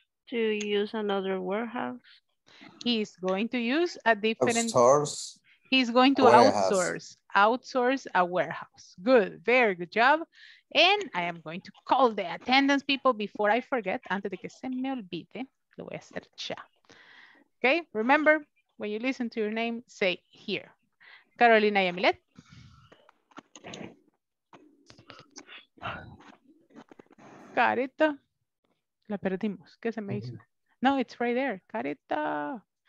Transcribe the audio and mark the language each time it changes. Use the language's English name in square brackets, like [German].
[English] To use another warehouse. He's going to use a different source. He's going to outsource. Outsource a warehouse. Good. Very good job. And I am going to call the attendance people before I forget. [Spanish] Antes de que se me olvide, lo voy a hacer ya. [English] Okay, remember, when you listen to your name, say here. Carolina Yamilet. [Spanish] Carita. La perdimos. ¿Qué se me hizo? No, [English] it's right there. [Spanish] Carita.